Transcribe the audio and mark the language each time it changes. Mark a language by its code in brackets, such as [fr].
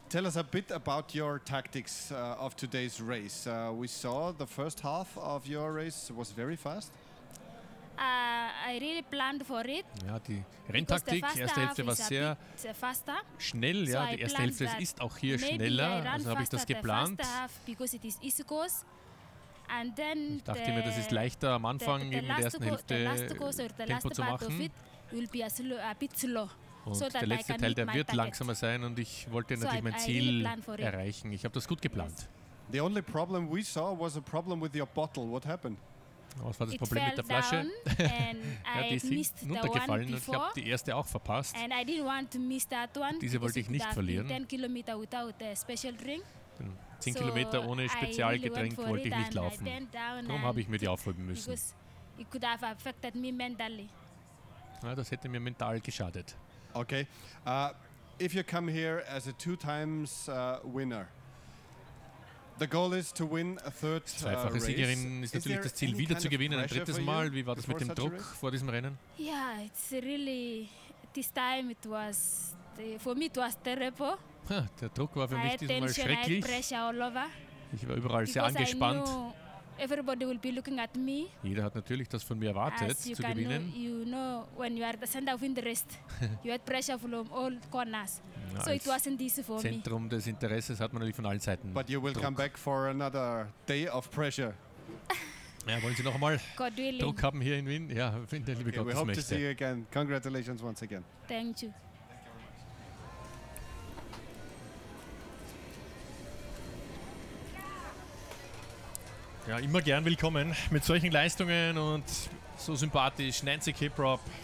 [en] Tell us a bit about your tactics of today's race. We saw the first half of your race was very fast. I really planned for it. [de] Ja, die Renntaktik, erste Hälfte war sehr schnell. Ja, die erste Hälfte ist auch hier schneller. Also habe ich das geplant. Und ich dachte mir, das ist leichter am Anfang eben in der ersten Hälfte Tempo zu machen. [en] Will be a bit slow. [de] Und so der letzte Teil, der wird langsamer [en] target. [de] Sein und ich wollte natürlich mein Ziel [en] really [de] erreichen. Ich habe das gut geplant. [en] The only problem we saw was a problem with your bottle. What happened? [de] Was war das Problem mit der Flasche? Ja, die ist runtergefallen und ich habe die erste auch verpasst. [en] And I didn't want to miss that one. [de] Diese wollte ich nicht verlieren. [en] 10 Kilometer without a special drink. [de] 10 so Kilometer ohne Spezialgetränk [en] really [de] wollte ich nicht laufen. Darum habe ich mir die aufholen müssen. [en] It could have affected me mentally. [de] Ja, das hätte mir mental geschadet. Okay. [en] If you come here as a 2-times winner, the goal is to win a third race. [de] Zweifache Siegerin ist natürlich das Ziel, wieder zu gewinnen, ein drittes Mal. Wie war das mit dem Druck vor diesem Rennen? [en] Yeah, it's really, this time it was, for me it was terrible. [de] Der Druck war für mich diesmal schrecklich. Ich war überall sehr angespannt. [en] Everybody will be looking at me. [de] Jeder hat natürlich das von mir erwartet, zu gewinnen. [en] You know, when you are the center of interest, you had pressure from all corners. So it wasn't easy for me. [de] Zentrum des Interesses hat man natürlich von allen Seiten. [en] But you will come back for another day of pressure. [de] Ja, wollen Sie noch einmal Druck haben hier in Wien? Ja, wenn der liebe Gott das möchte. [en] We hope to see you again. Congratulations once again. Thank you. [de] Ja, immer gern willkommen mit solchen Leistungen und so sympathisch Nancy Kiprop.